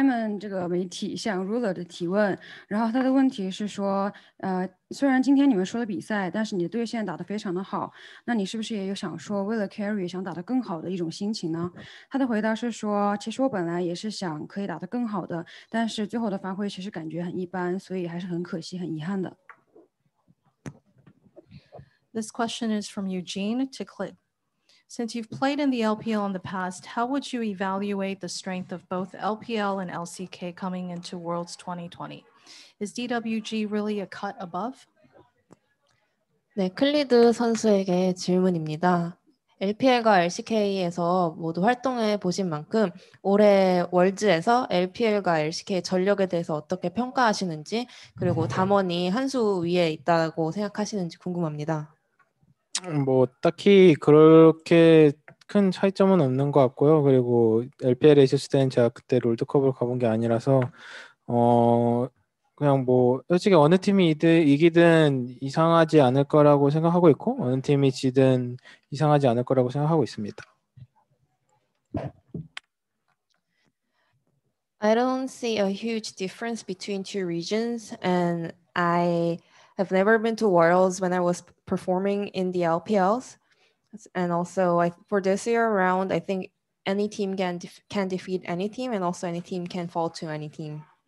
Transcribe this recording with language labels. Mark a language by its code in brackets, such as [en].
[zh] 这个是Simon这个媒体向 Ruler 的提问，然后他的问题是说，虽然今天你们输了比赛，但是你的队线打得非常的好，那你是不是也有想说为了 carry 想打得更好的一种心情呢？他的回答是说，其实我本来也是想可以打得更好的，但是最后的发挥其实感觉很一般，所以还是很可惜、很遗憾的。 [en] This question is from Eugene to Clip. Since you've played in the LPL in the past, how would you evaluate the strength of both LPL and LCK coming into Worlds 2020? Is DWG really a cut above? [ko] 네, 클리드 선수에게 질문입니다. LPL과 LCK에서 모두 활동해 보신 만큼 올해 월즈에서 LPL과 LCK의 전력에 대해서 어떻게 평가하시는지, 그리고 담원이 한 수 위에 있다고 생각하시는지 궁금합니다. 뭐 딱히 그렇게 큰 차이점은 없는 것 같고요. 그리고 LPL에 있었을 때는 제가 그때 롤드컵을 가본 게 아니라서 그냥 뭐 솔직히 어느 팀이 이기든 이상하지 않을 거라고 생각하고 있고 어느 팀이 지든 이상하지 않을 거라고 생각하고 있습니다. [en] I don't see a huge difference between two regions and I've never been to Worlds when I was performing in the LPLs. And also for this year round, I think any team can defeat any team and also any team can fall to any team.